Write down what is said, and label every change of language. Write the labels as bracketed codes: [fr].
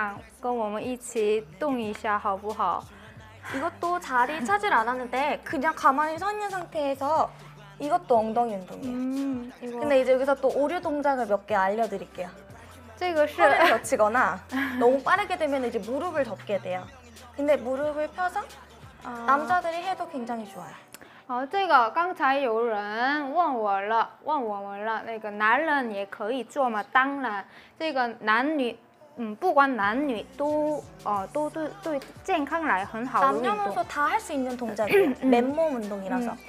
[zh] 平时我不做运动嘛，所以只做了十次这么累。你们怎么样？跟我们一起动一下好不好？ [ko] 이것도 자리 차질 않았는데 그냥 가만히 서 있는 상태에서 이것도 엉덩이 운동이에요. 이거. 근데 이제 여기서 또 오류 동작을 몇 개 알려드릴게요. [zh] 这个是... [ko] 허리를 젖히거나 너무 빠르게 되면 이제 무릎을 덮게 돼요. 근데 무릎을 펴서 남자들이 해도 굉장히 좋아요. [zh] 好，这个刚才有人问我了，问我们了，那个男人也可以做吗？当然，这个男女，不管男女都，都对对健康来很好的运动。男女都 [ko] 다할수있는동작이에요맨몸운동이라서